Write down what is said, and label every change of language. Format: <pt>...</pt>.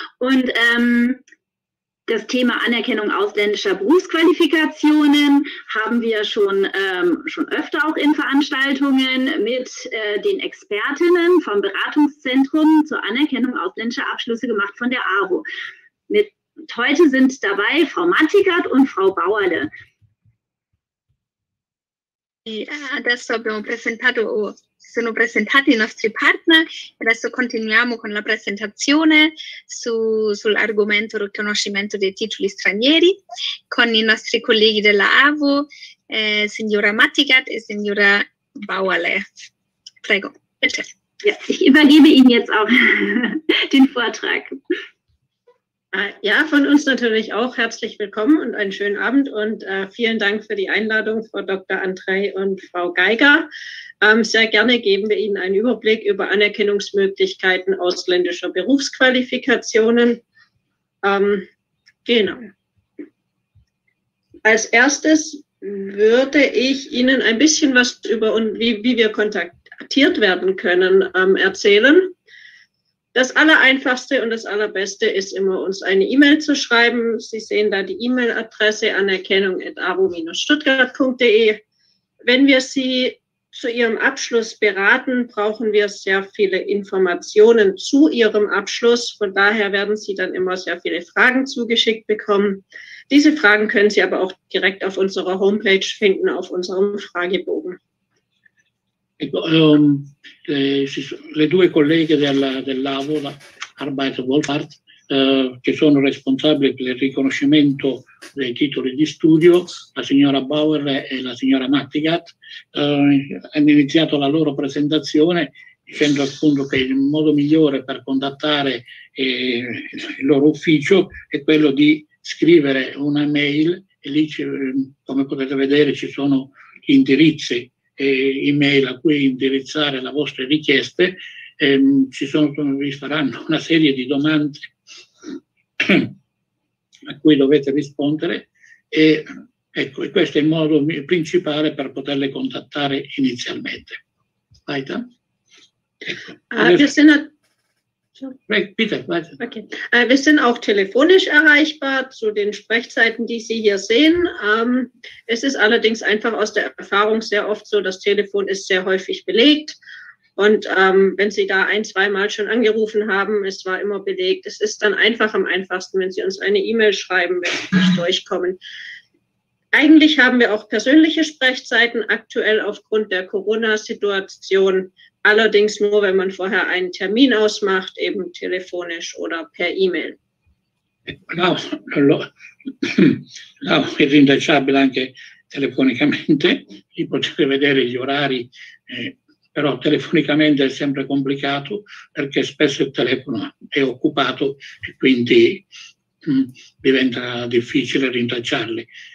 <de>Und das Thema Anerkennung ausländischer Berufsqualifikationen haben wir schon öfter auch in Veranstaltungen mit den Expertinnen vom Beratungszentrum zur Anerkennung ausländischer Abschlüsse gemacht von der AWO. Heute sind dabei Frau Mattigert und Frau Bauerle.</de> <it>Adesso abbiamo presentato sono presentati i nostri partner. Adesso continuiamo con la presentazione sull'argomento riconoscimento dei titoli stranieri con i nostri colleghi della AWO, signora Mattigat e signora Bauerle. Prego,</it> <de>bitte. Ja, ich übergebe Ihnen jetzt auch den Vortrag. Ja, von uns natürlich auch herzlich willkommen und einen schönen Abend und vielen Dank für die Einladung, Frau Dr. Andrei und Frau Geiger. Sehr gerne geben wir Ihnen einen Überblick über Anerkennungsmöglichkeiten ausländischer Berufsqualifikationen. Genau. Als erstes würde ich Ihnen ein bisschen was über und wie wir kontaktiert werden können erzählen. Das Allereinfachste und das Allerbeste ist immer, uns eine E-Mail zu schreiben. Sie sehen da die E-Mail-Adresse anerkennung@awo-stuttgart.de. Wenn wir Sie zu Ihrem Abschluss beraten, brauchen wir sehr viele Informationen zu Ihrem Abschluss. Von daher werden Sie dann immer sehr viele Fragen zugeschickt bekommen. Diese Fragen können Sie aber auch direkt auf unserer Homepage finden, auf unserem Fragebogen.</de> <it>Le due colleghe dell'AWO, Arbeit Wohlfahrt, che sono responsabili per il riconoscimento dei titoli di studio, la signora Bauer e la signora Mattigat, hanno iniziato la loro presentazione dicendo appunto che il modo migliore per contattare il loro ufficio è quello di scrivere una mail, e lì come potete vedere ci sono gli indirizzi email a cui indirizzare le vostre richieste, vi faranno una serie di domande a cui dovete rispondere e ecco, questo è il modo principale per poterle contattare inizialmente. Aita?</it> <de>Wir sind auch telefonisch erreichbar zu den Sprechzeiten, die Sie hier sehen. Es ist allerdings einfach aus der Erfahrung sehr oft so, das Telefon ist sehr häufig belegt. Und wenn Sie da ein, zweimal schon angerufen haben, es war immer belegt. Es ist dann einfach am einfachsten, wenn Sie uns eine E-Mail schreiben, wenn Sie nicht durchkommen. Eigentlich haben wir auch persönliche Sprechzeiten aktuell aufgrund der Corona-Situation. Allerdings nur, wenn man vorher einen Termin ausmacht, eben telefonisch oder per E-Mail.</de> <it>È rintracciabile anche telefonicamente, di poter vedere gli orari, però telefonicamente è sempre complicato perché spesso il telefono è occupato e quindi diventa difficile rintracciarli.</it>